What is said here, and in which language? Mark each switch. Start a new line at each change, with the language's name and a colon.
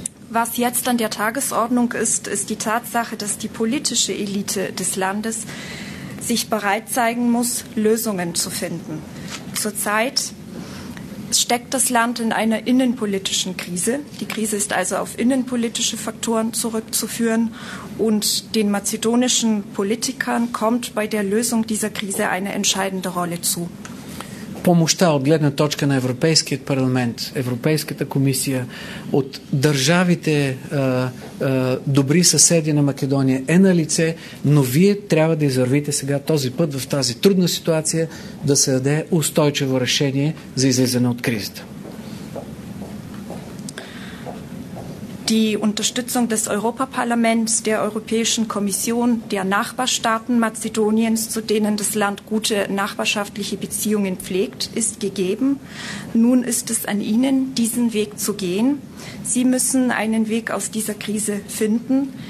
German: Was jetzt an der Tagesordnung ist, ist die Tatsache, dass die politische Elite des Landes sich bereit zeigen muss, Lösungen zu finden. Zurzeit steckt das Land in einer innenpolitischen Krise. Die Krise ist also auf innenpolitische Faktoren zurückzuführen. Und den mazedonischen Politikern kommt bei der Lösung dieser Krise eine entscheidende Rolle zu.
Bulgarian: Помощта от гледна точка на Европейският парламент, Европейската комисия, от държавите, добри съседи на Македония е на лице, но вие трябва да извървите сега този път в тази трудна ситуация да се даде устойчиво решение за излизане от кризата.
German: Die Unterstützung des Europaparlaments, der Europäischen Kommission, der Nachbarstaaten Mazedoniens, zu denen das Land gute nachbarschaftliche Beziehungen pflegt, ist gegeben. Nun ist es an Ihnen, diesen Weg zu gehen. Sie müssen einen Weg aus dieser Krise finden.